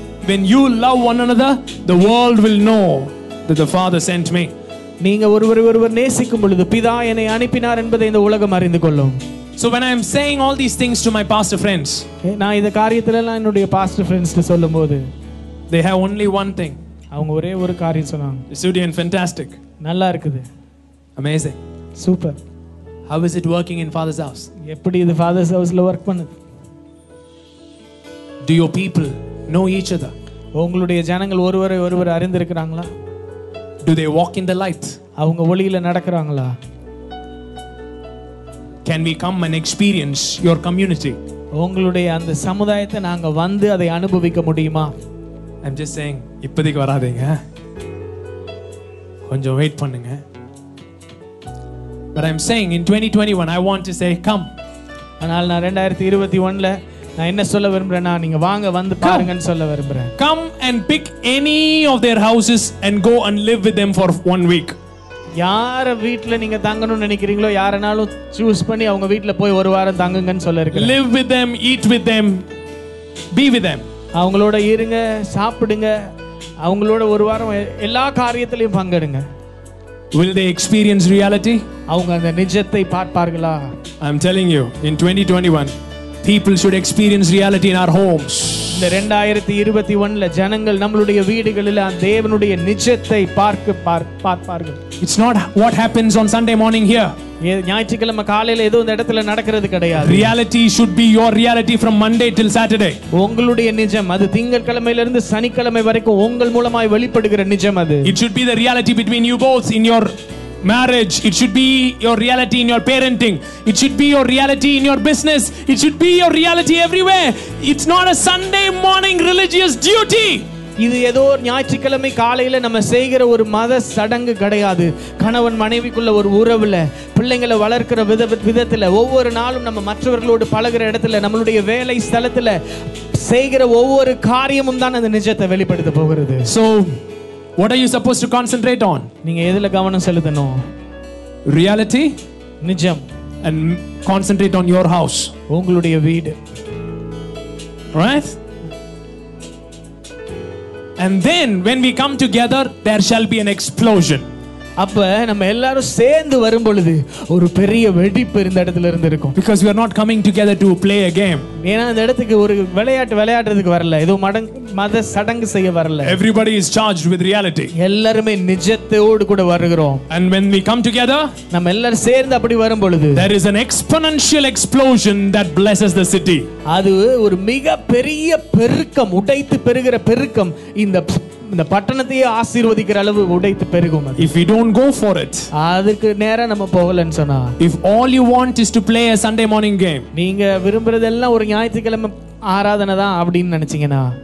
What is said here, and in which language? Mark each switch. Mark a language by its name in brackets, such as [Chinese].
[English] When you love one another, the world will know that the Father sent me. [Tamil] நீங்க ஒருவர் நேசிக்கும் பொழுது பிதா என்னை அனுப்பினார் என்பதை இந்த உலகம் அறிந்து கொள்ளும். [English] So when I am saying all these things to my pastor friends, [Tamil] நான் இந்த காரியத்தை எல்லாம் என்னுடைய பாஸ்டர் ஃப்ரெண்ட்ஸ்க்கு சொல்லும்போது, [English] they have only one thing. [Tamil] அவங்க ஒரே ஒரு காரியம் சொன்னாங்க. [English] Student, fantastic. [Tamil] நல்லா இருக்குது. [English] Amazing. Super. How is it working in Father's house? [Tamil] எப்படி இது Father's house-ல work பண்ணுது? [English] Do your people know each other? [Tamil] உங்களுடைய ஜனங்கள் ஒருவரை ஒருவர் அறிந்திருக்கிறாங்களா? [English] Do they walk in the light? [Tamil] அவங்க ஒளியில நடக்கறாங்களா? [English] Can we come and experience your community? [Tamil] உங்களுடைய அந்த சமூகத்தை நாங்க வந்து அதை அனுபவிக்க முடியுமா? [English] I'm just saying, [Tamil] இப்போதைக்கு வராதீங்க, கொஞ்சம் வெயிட் பண்ணுங்க. [English] But I'm saying, in 2021, I want to say, come. [Tamil] ஆனால் நான் 2021ல நான் என்ன சொல்ல விரும்புறேன்னா, நீங்க வாங்க வந்து பாருங்கன்னு சொல்ல விரும்புறேன். [English] Come and pick any of their houses and go and live with them for one week. [Tamil] யார வீட்ல நீங்க தங்கணும்னு நினைக்கிறீங்களோ, யாரனாலும் சூஸ் பண்ணி அவங்க வீட்ல போய் ஒரு வாரம் தங்குங்கன்னு சொல்ல இருக்கு. [English] Live with them, eat with them, be with them. [Tamil] அவங்களோட இருங்க, சாப்பிடுங்க, அவங்களோட ஒரு வாரம் எல்லா காரியத்திலையும் பங்கெடுங்க. [English] Will they experience reality? [Tamil] அவங்க அந்த நிஜத்தை பார்ப்பார்களா? [English] I'm telling you, in 2021, people should experience reality in our homes. [Tamil] இந்த 2021ல ஜனங்கள் நம்மளுடைய வீடுகளில் தேவனுடைய நிஜத்தை பார்ப்பார்கள். [English] It's not what happens on Sunday morning here. [Tamil] ஞாயிற்றுக்கிழமை காலையில ஏதோ இந்த இடத்துல நடக்கிறது கிடையாது. [English] Reality should be your reality from Monday till Saturday. [Tamil] உங்களுடைய நிஜம் அது திங்கட்கிழமையில இருந்து சனிக்கிழமை வரைக்கும் உங்கள் மூலமாய் வெளிப்படுகிற நிஜம் அது. [English] It should be the reality between you both in your marriage. It should be your reality in your parenting. It should be your reality in your business. It should be your reality everywhere. It's not a Sunday morning religious duty. [Tamil] இது ஏதோ ஞாயிற்றுக்கிழமை காலையில நம்ம செய்கிற ஒரு மத சடங்கு கிடையாது. கணவன் மனைவிக்குள்ள ஒரு உறவுல, பிள்ளைங்களை வளர்க்கிற விதத்துல, ஒவ்வொரு நாளும் நம்ம மற்றவர்களோடு பழகிற இடத்துல, நம்மளுடைய வேலை ஸ்தலத்துல செய்கிற ஒவ்வொரு காரியமும் தான் அந்த நிஜத்தை வெளிப்படுத்த போகிறது. [English] So what are you supposed to concentrate on? [Tamil] நீங்க எதுல கவனம் செலுத்தணும்? [English] Reality, [Tamil] நிஜம். [English] And concentrate on your house. [Tamil] உங்களுடைய வீடு. [English] Right? And then when we come together, there shall be an explosion. [Tamil] அப்ப நம்ம எல்லாரும் சேர்ந்து வரும்பொழுது ஒரு பெரிய வெடிப்பு இந்த இடத்துல இருந்து இருக்கும். [English] Because we are not coming together to play a game. [Tamil] ஏனா இந்த இடத்துக்கு ஒரு விளையாட்டு விளையாடுறதுக்கு வரல. இது மத சடங்கு செய்ய வரல. [English] Everybody is charged with reality. [Tamil] எல்லாரும் நிஜத்தோடு கூட வருகிறோம். [English] And when we come together, [Tamil] நம்ம எல்லாரும் சேர்ந்து அப்படி வரும்பொழுது [English] there is an exponential explosion that blesses the city. [Tamil] அது ஒரு மிக பெரிய பெருக்கம், உடைத்து பெருகிற பெருக்கம் இந்த இந்த பட்டணத்தையே ஆசீர்வதிக்கிற அளவு உடைத்து பெருகும். [English] If we don't go for it, [Tamil] அதுக்கு நேரா நம்ம போகலன்னு சொன்னா, [English] if all you want is to play a Sunday morning game, [Tamil] நீங்க விரும்பறதெல்லாம் ஒரு ஞாயிற்றுக்கிழமை ஆராதனை தான் அப்படின்னு நினைச்சீங்கன்னா,